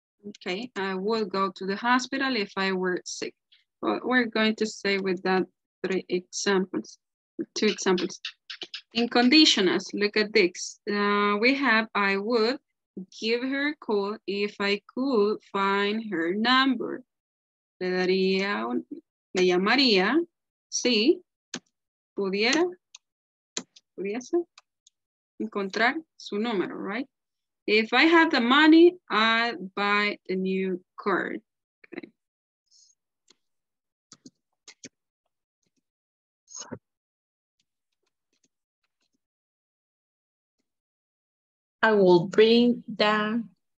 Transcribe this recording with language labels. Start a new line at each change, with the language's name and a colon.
English: Okay, I would go to the hospital if I were sick. But we're going to stay with that three examples, two examples. In conditionals, look at this. We have, I would give her a call if I could find her number.
Spanish: Le daría, le llamaría, si pudiera, pudiese encontrar su número, right?
English: If I had the money, I'd buy the new car. Okay. I will bring down.